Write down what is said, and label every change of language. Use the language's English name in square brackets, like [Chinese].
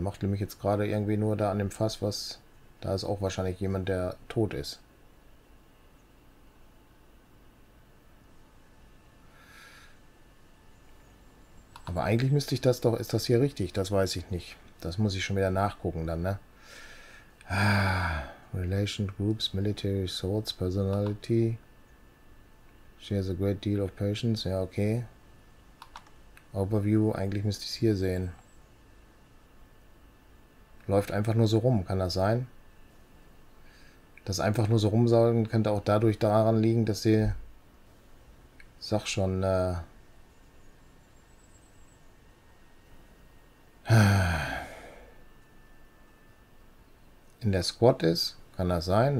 [German] Macht nämlich jetzt gerade irgendwie nur da an dem Fass, was... Da ist auch wahrscheinlich jemand, der tot ist. Aber eigentlich müsste ich das doch... Ist das hier richtig? Das weiß ich nicht. Das muss ich schon wieder nachgucken dann, ne? [English] Relation Groups, Military Swords, Personality. She has a great deal of patience. [German] Ja, okay. Overview, eigentlich müsste ich es hier sehen. Läuft einfach nur so rum, kann das sein? Das einfach nur so rumsaugen könnte auch dadurch daran liegen, dass sie, sag schon, in der Squad ist. Kann das sein?